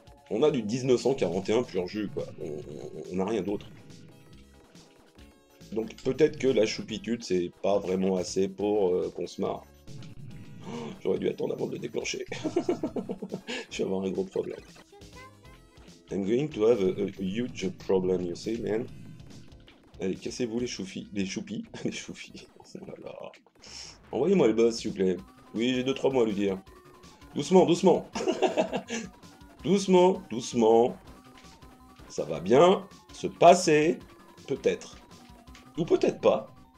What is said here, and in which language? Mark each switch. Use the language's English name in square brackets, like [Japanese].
[French] On a du 1941 pur jus, quoi. On n'a rien d'autre. Donc peut-être que la choupitude, c'est pas vraiment assez pour qu'on se marre. J'aurais dû attendre avant de le déclencher. Je vais avoir un gros problème. [English] I'm going to have a huge problem, you see, man. [French] Allez, cassez-vous les choufis. Les choupis. Les choufis. Oh là là. Envoyez-moi le boss, s'il vous plaît. Oui, j'ai 2-3 mots à lui dire. Doucement, doucement. Doucement, doucement. Ça va bien se passer. Peut-être. Ou peut-être pas.